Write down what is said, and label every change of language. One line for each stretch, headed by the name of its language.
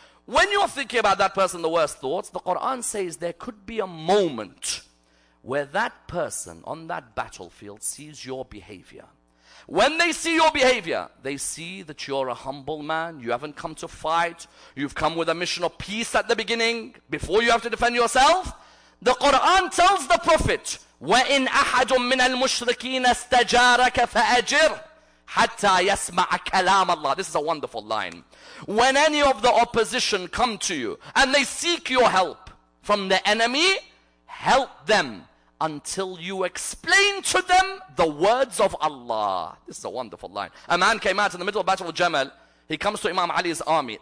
English: When you're thinking about that person the worst thoughts, the Quran says there could be a moment where that person on that battlefield sees your behavior. When they see your behavior, they see that you're a humble man. You haven't come to fight. You've come with a mission of peace at the beginning before you have to defend yourself. The Quran tells the Prophet,
Arabic: وَإِنْ أَحَدٌ مِّنَ الْمُشْرِكِينَ اسْتَجَارَكَ فَأَجِرْهُ حَتَّى يَسْمَعَ كَلَامَ اللَّهِ.
English: This is a wonderful line. When any of the opposition come to you and they seek your help from the enemy, help them until you explain to them the words of Allah. This is a wonderful line. A man came out in the middle of Battle of Jamal. He comes to Imam Ali's army.